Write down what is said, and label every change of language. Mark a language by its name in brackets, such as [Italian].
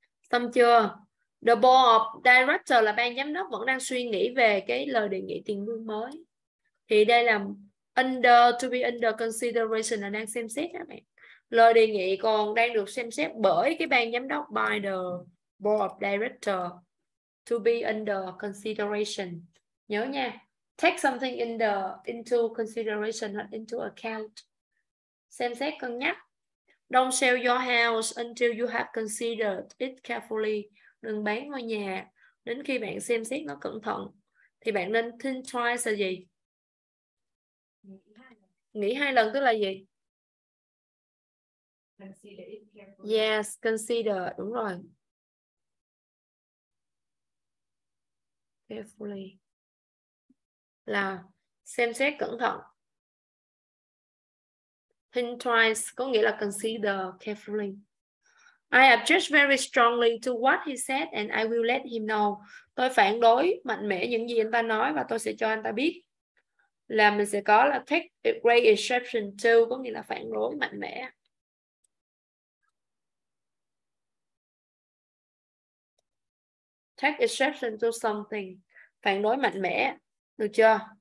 [Vietnamese] Xong chưa? [English] The board of director [Vietnamese] là ban giám đốc vẫn đang suy nghĩ về cái lời đề nghị tiền lương mới. Thì đây là under, [English] to be under consideration [Vietnamese] là đang xem xét các bạn. Lời đề nghị còn đang được xem xét bởi cái ban giám đốc, [English] by the board of director, to be under consideration. [Vietnamese] Nhớ nha. [English] Take something in the into consideration or into account. [Vietnamese] Xem xét cân nhắc. [English] Don't sell your house until you have considered it carefully. [Vietnamese] Đừng bán ngôi nhà đến khi bạn xem xét nó cẩn thận. Thì bạn nên [English] think twice [Vietnamese] là gì? Nghĩ hai lần tức là gì? [English] Consider it carefully. Yes, consider. [Vietnamese] Đúng rồi. Carefully. Là xem xét cẩn thận. [English] Think twice [Vietnamese] có nghĩa là [English] consider carefully. I object very strongly to what he said and I will let him know. [Vietnamese] Tôi phản đối mạnh mẽ những gì anh ta nói và tôi sẽ cho anh ta biết. Là mình sẽ có là [English] take a great exception to, [Vietnamese] có nghĩa là phản đối mạnh mẽ. [English] Take exception to something, [Vietnamese] phản đối mạnh mẽ. Được chưa?